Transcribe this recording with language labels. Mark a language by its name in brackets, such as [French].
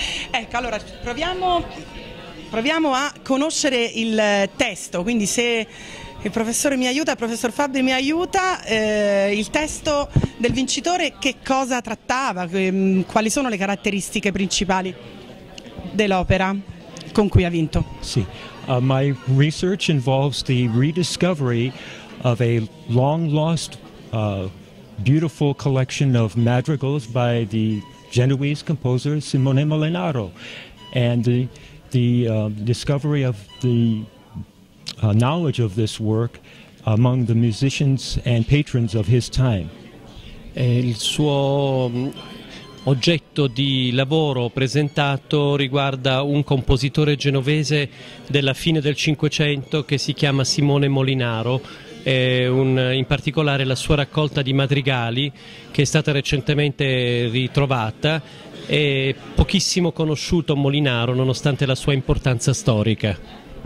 [Italian] Ecco, allora proviamo a conoscere il testo, quindi se il professore mi aiuta, il professor Fabri mi aiuta, il testo del vincitore, che cosa trattava, quali sono le caratteristiche principali dell'opera con cui ha vinto? [English] Sì, my research involves the rediscovery of a long lost beautiful collection of madrigals by the Genoese composer Simone Molinaro, and the discovery of the knowledge of this work among the musicians and patrons of his time. [Italian] Il suo oggetto di lavoro presentato riguarda un compositore genovese della fine del Cinquecento che si chiama Simone Molinaro. In particolare la sua raccolta di madrigali, che è stata recentemente ritrovata, è pochissimo conosciuto Molinaro nonostante la sua importanza storica.